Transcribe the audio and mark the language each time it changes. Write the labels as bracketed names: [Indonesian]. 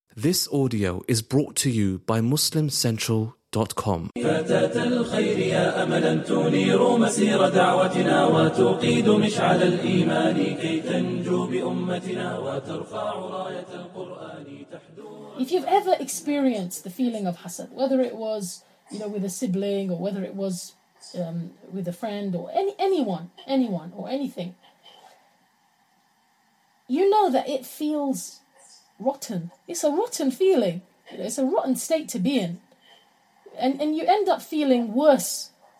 [English] This audio is brought to you by MuslimCentral.com. [Arabic] فتاة الخير يا أملا تنير مسير دعوتنا وتقيد مشعل الإيمان كي تنجو بأمتنا وترفع راية القرآن تحدو. [English] If you've ever experienced the feeling of hasad, whether it was, you know, with a sibling or whether it was with a friend or anyone or anything, you know that it feels rotten. It's a rotten feeling. It's a rotten state to be in. And you end up feeling worse.